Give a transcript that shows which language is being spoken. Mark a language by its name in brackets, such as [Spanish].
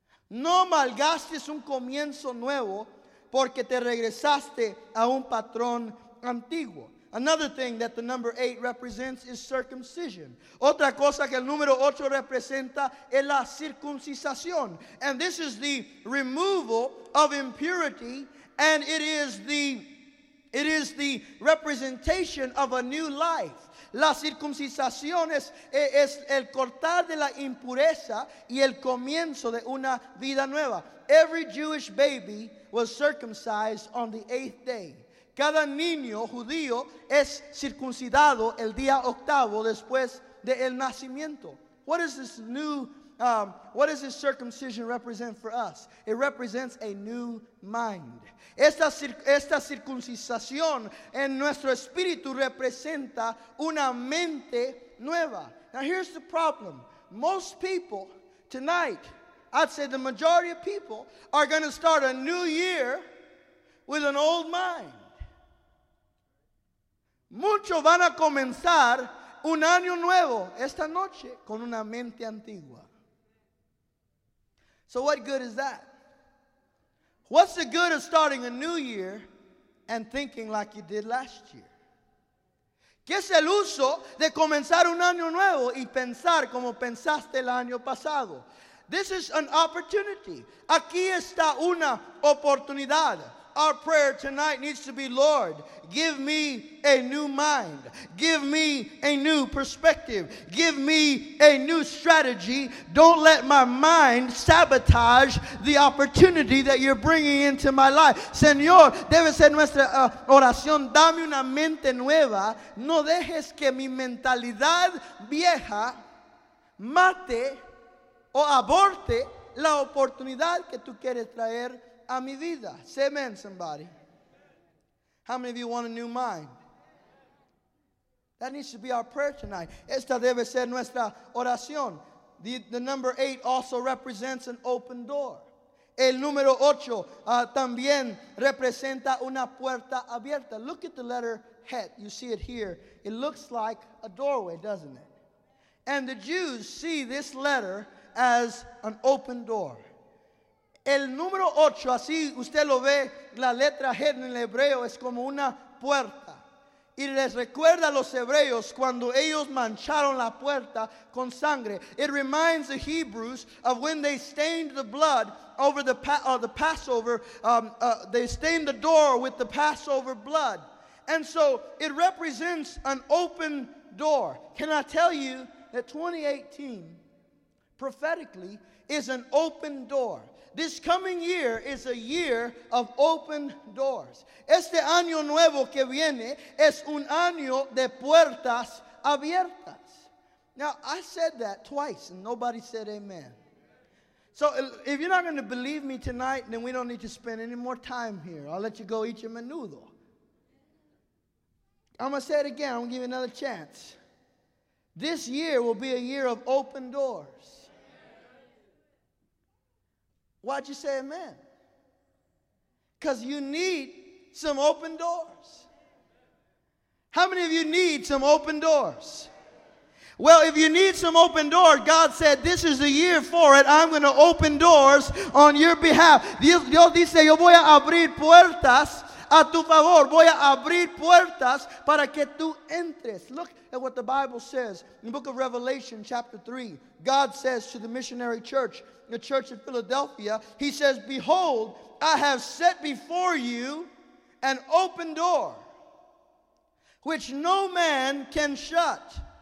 [Spanish] No malgastes un comienzo nuevo porque te regresaste a un patrón antiguo. [English] Another thing that the number 8 represents is circumcision. [Spanish] Otra cosa que el número 8 representa es la circuncisación. [English] And this is the removal of impurity, and it is the representation of a new life. [Spanish] La circuncisación es el cortar de la impureza y el comienzo de una vida nueva. [English] Every Jewish baby was circumcised on the 8th day. [Spanish] Cada niño judío es circuncidado el día octavo después del nacimiento. [English] What is this new, what does this circumcision represent for us? It represents a new mind. [Spanish] Esta circuncisación en nuestro espíritu representa una mente nueva. [English] Now here's the problem. Most people tonight, I'd say the majority of people, are going to start a new year with an old mind. Muchos van a comenzar un año nuevo esta noche con una mente antigua. So what good is that? What's the good of starting a new year and thinking like you did last year? [Spanish] ¿Qué es el uso de comenzar un año nuevo y pensar como pensaste el año pasado? [English] This is an opportunity. [Spanish] Aquí está una oportunidad. [English] Our prayer tonight needs to be, Lord, give me a new mind. Give me a new perspective. Give me a new strategy. Don't let my mind sabotage the opportunity that you're bringing into my life. [Spanish] Señor, debe ser nuestra oración. Dame una mente nueva. No dejes que mi mentalidad vieja mate o aborte la oportunidad que tú quieres traer a mi vida. [English] Say amen, somebody. How many of you want a new mind? That needs to be our prayer tonight. [Spanish] Esta debe ser nuestra oración. [English] The number 8 also represents an open door. [Spanish] El número 8 también representa una puerta abierta. [English] Look at the letter het. You see it here. It looks like a doorway, doesn't it? And the Jews see this letter as an open door. [Spanish] El número 8, así usted lo ve, la letra G en el hebreo es como una puerta. Y les recuerda a los hebreos cuando ellos mancharon la puerta con sangre. [English] It reminds the Hebrews of when they stained the blood over the Passover. They stained the door with the Passover blood. And so it represents an open door. Can I tell you that 2018, prophetically, is an open door? This coming year is a year of open doors. [Spanish] Este año nuevo que viene es un año de puertas abiertas. [English] Now, I said that twice and nobody said amen. So if you're not going to believe me tonight, then we don't need to spend any more time here. I'll let you go eat your menudo. I'm going to say it again. I'm going to give you another chance. This year will be a year of open doors. Why'd you say amen? Because you need some open doors. How many of you need some open doors? Well, if you need some open doors, God said, this is the year for it. I'm going to open doors on your behalf. [Spanish] Dios dice, yo voy a abrir puertas a tu favor. Voy a abrir puertas para que tú entres. [English] Look at what the Bible says in the book of Revelation chapter 3. God says to the missionary church, the church of Philadelphia, he says, behold, I have set before you an open door which no man can shut.